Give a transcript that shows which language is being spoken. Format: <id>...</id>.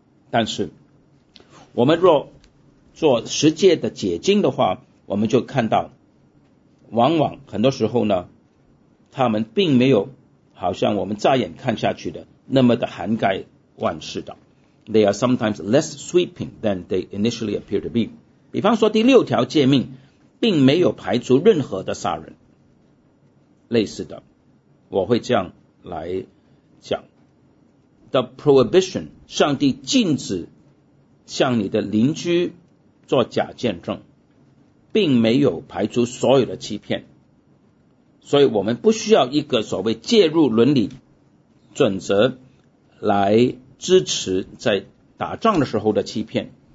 <zh>但是我们若做十诫的解经的话，我们就看到往往很多时候呢，他们并没有好像我们乍眼看下去的那么的涵盖万事的。</zh> <en>They are sometimes less sweeping than they initially appear to be。</en> <zh>比方说第六条诫命并没有排除任何的杀人，类似的我会这样来讲，</zh> <en>The prohibition，</en> <zh>上帝禁止向你的邻居做假见证，并没有排除所有的欺骗，所以我们不需要一个所谓介入伦理准则来支持在打仗的时候的欺骗。</zh>